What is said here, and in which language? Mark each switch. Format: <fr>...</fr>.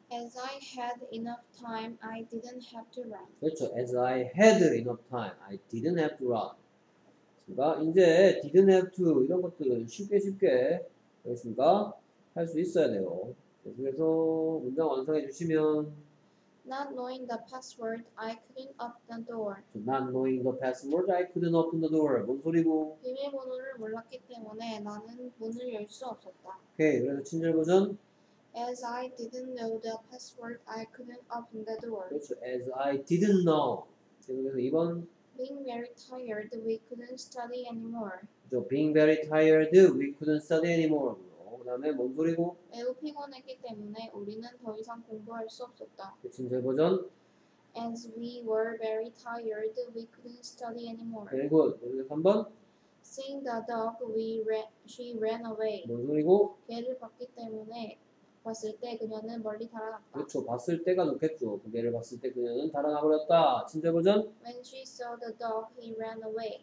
<en>As I had enough time, I didn't have to run.</en> <ko>그렇죠.</ko> <en>As I had enough time, I didn't have to run.</en> <ko>그러니까 이제</ko> <en>didn't have to</en> <ko>이런 것들은 쉽게 그렇습니까? 할 수 있어야 돼요. 그래서 문장 완성해 주시면.</ko> <en>Not knowing the password, I couldn't open the door. Not knowing the password, I couldn't open the door.</en> <ko>뭔 소리고? 비밀번호를 몰랐기 때문에 나는 문을 열 수 없었다. 오케이, 그래서 친절 버전.</ko> <en>As I didn't know the password, I couldn't open the door.</en> <ko>그렇죠,</ko> <en>as I didn't know.</en> <ko>그래서 2번.</ko> <en>Being very tired, we couldn't study anymore.</en> <ko>그렇죠,</ko> <en>being very tired, we couldn't study anymore.</en> <ko>그 다음에 뭔 소리고? 매우 피곤했기 때문에 우리는 더 이상 공부할 수 없었다. 진짜 버전?</ko> <en>As we were very tired, we couldn't study anymore. Very good. 3번? Seeing the dog, she ran away.</en> <ko>뭔 소리고? 개를 봤기 때문에 봤을 때 그녀는 멀리 달아났다. 그렇죠. 봤을 때가 좋겠죠. 그 개를 봤을 때 그녀는 달아나버렸다. 진짜 버전?</ko> <en>When she saw the dog, he ran away.</en>